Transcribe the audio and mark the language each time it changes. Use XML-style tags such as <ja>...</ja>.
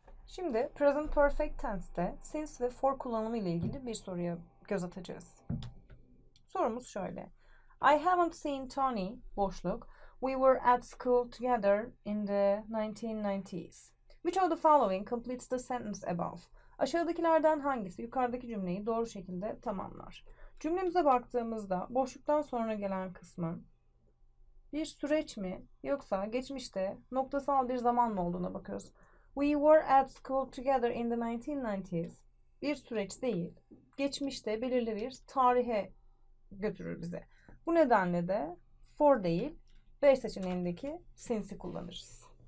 <tr>Şimdi present perfect tense'te since ve for kullanımı ile ilgili bir soruya göz atacağız. Sorumuz şöyle.</tr> <en>I haven't seen Tony,</en> <tr>boşluk.</tr> <en>We were at school together in the 1990s. Which of the following completes the sentence above?</en> <tr>Aşağıdakilerden hangisi yukarıdaki cümleyi doğru şekilde tamamlar? Cümlemize baktığımızda boşluktan sonra gelen kısmı bir süreç mi yoksa geçmişte noktasal bir zaman mı olduğuna bakıyoruz.</tr> <en>We were at school together in the 1990s.</en> <tr>Bir süreç değil. Geçmişte belirli bir tarihe götürür bizi. Bu nedenle de for değil, B seçeneğindeki since'i kullanırız.</tr>